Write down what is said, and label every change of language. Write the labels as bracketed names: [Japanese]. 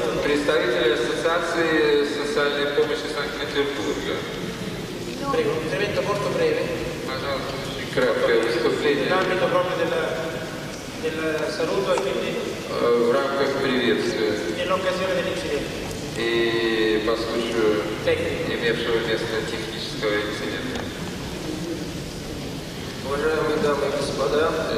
[Russian] Представители ассоциации социальной помощи Санкт-Петербурга. [Italian] Prego, un intervento molto breve. Nell'ambito proprio del saluto e quindi. [Russian] В рамках приветствия. [Italian] In occasione dell'incidente. [Russian] И по случаю имевшего место технического инцидента. Уважаемые дамы и господа,